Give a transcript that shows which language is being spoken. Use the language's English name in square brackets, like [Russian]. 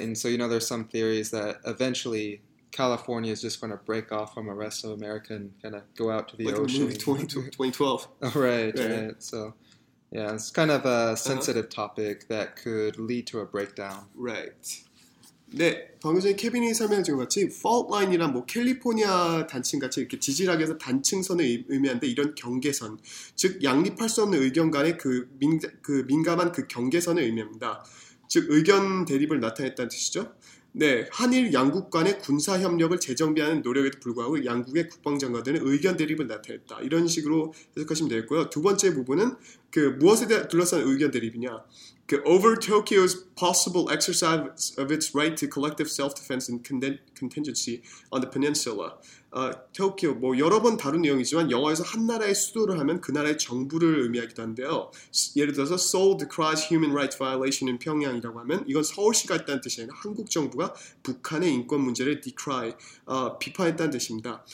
[English] And so, you know, there's some theories that eventually California is just going to break off from the rest of America and kind of go out to the ocean. Like the movie 2012. Right. So, yeah, it's kind of a sensitive topic that could lead to a breakdown. Right. [Korean] 네, 방금 전에 케빈이 설명해준 것 같이 fault line이란 뭐 캘리포니아 단층 같이 이렇게 지질학에서 단층선을 의미하는데 이런 경계선, 즉 양립할 수 없는 의견 간의 그 민감한 그 경계선을 의미합니다. 즉 의견 대립을 나타냈다는 뜻이죠. 네, 한일 양국 간의 군사 협력을 재정비하는 노력에도 불구하고 양국의 국방장관들은 의견 대립을 나타냈다. 이런 식으로 해석하시면 되겠고요. 두 번째 부분은 그 무엇에 둘러싼 의견 대립이냐? [English] Over Tokyo's possible exercise of its right to collective self-defense and contingency on the peninsula. [Korean] Tokyo, 뭐 여러 번 다룬 내용이지만 영어에서 한 나라의 수도를 하면 그 나라의 정부를 의미하기도 한데요. 예를 들어서 [English] Seoul decries human rights violation in Pyongyang [Korean] 이라고 하면 이건 서울시가 했다는 뜻이 아니라 한국 정부가 북한의 인권 문제를 decry, 비판했다는 뜻입니다.